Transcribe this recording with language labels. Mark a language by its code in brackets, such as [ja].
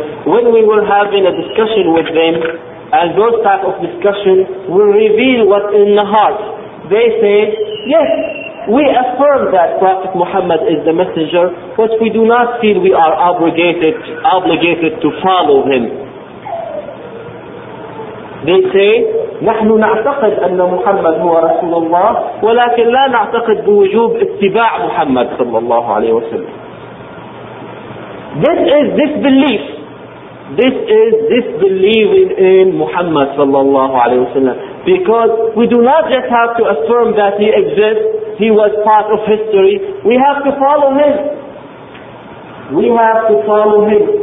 [en] When we were having a discussion with them, and those type of discussion will reveal what's in the heart, they say, yes, we affirm that Prophet Muhammad is the messenger, but we do not feel we are obligated to follow him. [ar] They say, نحن نعتقد أن محمد هو رسول الله ولكن لا نعتقد بوجوب اتباع محمد صلى الله عليه وسلم. [en] This is disbelief. This is disbelieving in Muhammad صلى الله عليه وسلم. Because we do not just have to affirm that he exists, he was part of history. We have to follow him. We have to follow him.